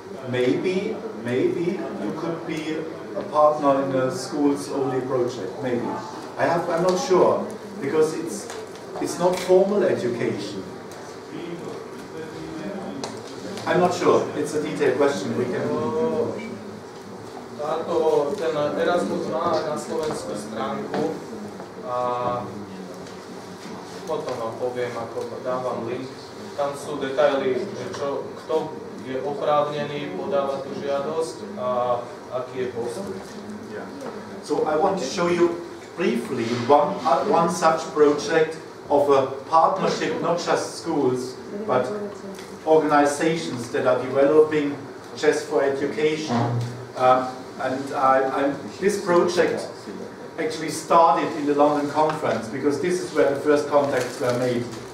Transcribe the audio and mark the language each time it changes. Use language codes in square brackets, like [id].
[en] Maybe you could be a partner in a school's only project. Maybe. I'm not sure, because it's not formal education. I'm not sure. It's a detailed question. We can. [sk] Táto, ten Erasmus má na slovenskú stránku a potom vám poviem, ako dávam link. Tam sú detaily, že čo, kto je oprávnený podávať tú žiadosť a aký je postup. [en] Yeah. So I want to show you briefly one such project of a partnership, not just schools, but organizations that are developing chess for education. And this project actually started in the London conference, because this is where the first contacts were made.